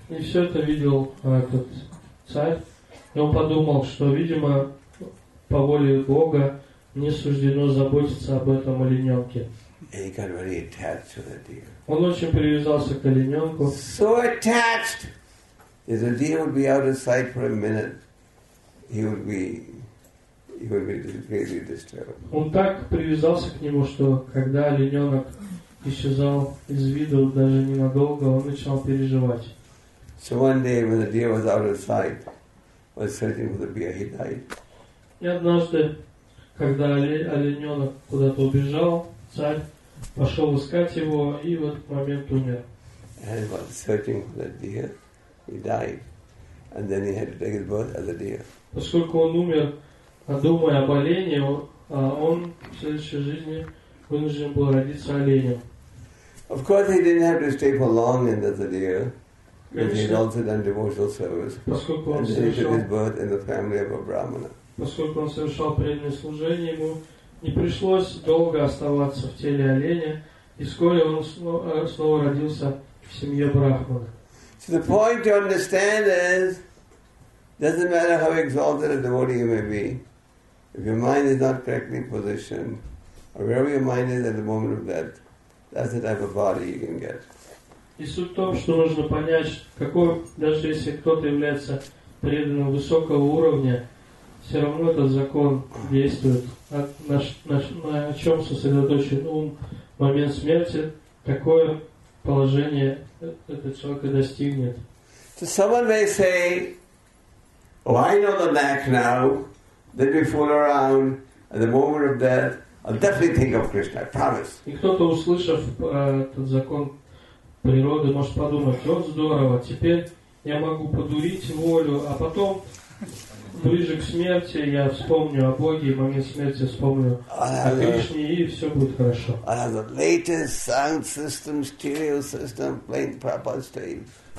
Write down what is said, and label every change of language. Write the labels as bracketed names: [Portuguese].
[Russian] И все это видел этот царь, и он подумал, что, видимо, по воле Бога не суждено заботиться об этом олененке. [English] And he got very attached to the deer. [Russian] Он очень привязался к олененку. [English] So attached that the deer would be out of sight for a minute, he would be greatly disturbed. [Russian] Он так привязался к нему, что когда олененок исчезал из виду даже ненадолго, он начал переживать. [English] So one day when the deer was out of sight, was searching for the deer, he died. [Russian] И однажды, когда олененок куда-то убежал, царь пошел искать его, и в этот момент умер. [English] And while searching for the deer, he died. And then he had to take his birth as a deer. [Russian] Поскольку он умер, думая об олене, он в следующей жизни вынужден был родиться оленем. [English] Of course, he didn't have to stay for long in as a deer, because he had also done devotional service. And then he took his birth in the family of a brahmana. [Russian] Поскольку он совершал преданное служение ему, не пришлось долго оставаться в теле оленя, и вскоре он снова родился в семье брахмана. [English] So the point to understand is, doesn't matter how exalted a devotee you may be, if your mind is not correctly positioned, or wherever your mind is at the moment of death, that's the type of body you can get. [Russian] И суть в том, что нужно понять, какой, даже если кто-то является преданным высокого уровня, все равно этот закон действует. На чем сосредоточен ум в момент смерти, такое положение этот человек и достигнет. [English] So someone may say, oh, I know the knack now, then we fool around, at the moment of death, I'll definitely think of Krishna, I promise. [Russian] И кто-то, услышав этот закон природы, может подумать, вот здорово, теперь я могу подурить волю, а потом ближе к смерти я вспомню о Боге, и в момент смерти вспомню о Кришне, и все будет хорошо. [English] I have the latest sound system, stereo system, playing Prabhupada's tapes.